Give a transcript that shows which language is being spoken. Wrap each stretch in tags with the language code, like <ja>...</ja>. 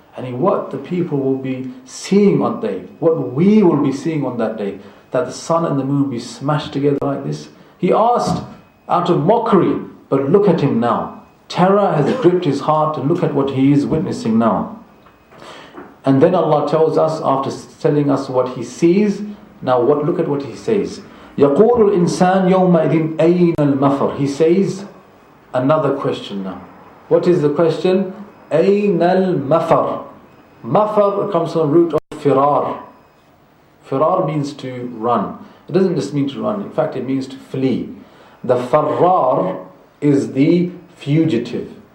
<en>And what the people will be seeing on that day, what we will be seeing on that day, that the sun and the moon be smashed together like this. He asked out of mockery, but look at him now. Terror has gripped his heart, and look at what he is witnessing now. And then Allah tells us, after telling us what he sees, now what? Look at what he says.</en> <ar>يقول الإنسان يومئذٍ أين المفر.</ar> <en>He says another question now. What is the question?</en> <ar>أين المفر.</ar> <en>مفر comes from the root of فرار. فرار means to run. It doesn't just mean to run. In fact, it means to flee. The فرار is the fugitive.</en>